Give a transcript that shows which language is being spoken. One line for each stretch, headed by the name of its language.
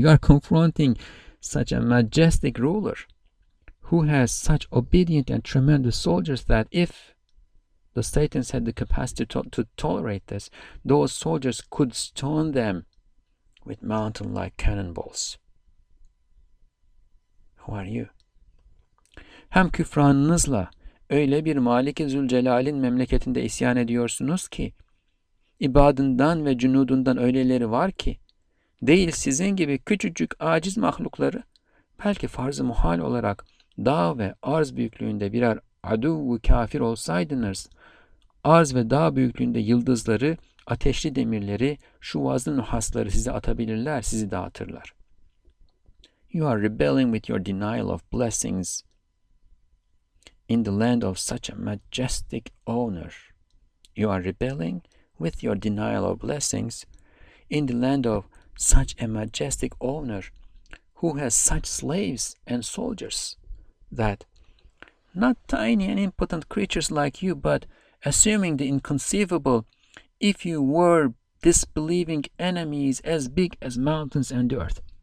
English: You are confronting such a majestic ruler who has such obedient and tremendous soldiers that if the Satans had the capacity to tolerate this, those soldiers could stone them with mountain-like cannonballs. Who are you?
Turkish: Hem küfranınızla öyle bir Malik-i Zülcelal'in memleketinde isyan ediyorsunuz ki, ibadından ve cünudundan öyleleri var ki, değil sizin gibi küçücük aciz mahlukları, belki farz-ı muhal olarak dağ ve arz büyüklüğünde birer aduv-u kafir olsaydınız, arz ve dağ büyüklüğünde yıldızları, ateşli demirleri, şu vazlı nuhasları size atabilirler, sizi dağıtırlar.
English: You are rebelling with your denial of blessings in the land of such a majestic owner. You are rebelling with your denial of blessings in the land of such a majestic owner who has such slaves and soldiers that not tiny and impotent creatures like you, but assuming the inconceivable, if you were disbelieving enemies as big as mountains and earth.